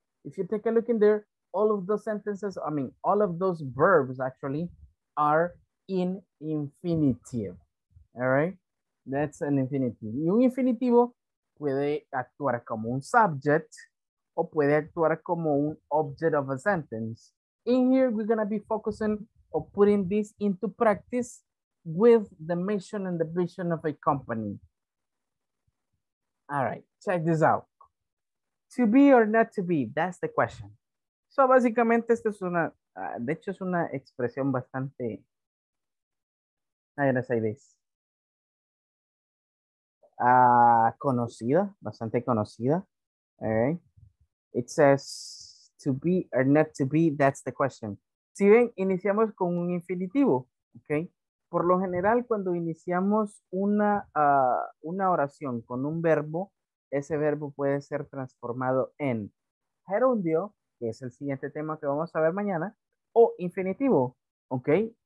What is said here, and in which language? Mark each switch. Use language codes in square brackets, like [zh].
[en] If you take a look in there, all of those sentences, I mean, all of those verbs actually are in infinitive, all right? That's an infinitive. [es] Y un infinitivo puede actuar como un subject o puede actuar como un [en] object of a sentence. In here, we're gonna be focusing or putting this into practice with the mission and the vision of a company. All right, check this out. To be or not to be, that's the question. [es] So básicamente, esta es una, de hecho es una expresión bastante, [en] I'm gonna say this, [es] conocida, bastante conocida, [en] all right? It says, to be or not to be, that's the question. [es] Si bien, iniciamos con un infinitivo, ¿ok? Por lo general, cuando iniciamos una oración con un verbo, ese verbo puede ser transformado en gerundio, que es el siguiente tema que vamos a ver mañana, o infinitivo, ¿ok?